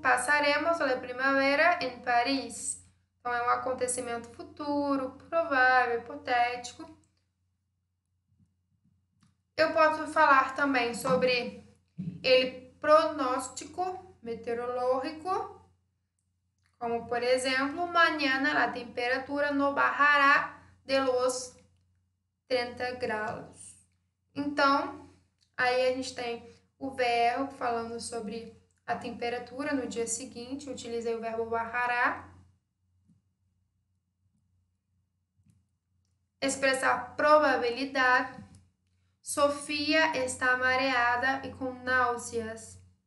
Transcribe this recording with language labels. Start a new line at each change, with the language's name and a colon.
Spanish: Passaremos la primavera en París.
Portuguese: Então, é um acontecimento futuro, provável, hipotético. Eu posso falar também sobre
Spanish: el pronóstico meteorológico.
Portuguese: Como, por exemplo,
Spanish: mañana la temperatura no bajará de los 30 grados.
Portuguese: Então, aí a gente tem o verbo falando sobre a temperatura no dia seguinte. Utilizei o verbo bajará. Expressar probabilidade. Sofia está mareada e com náuseas.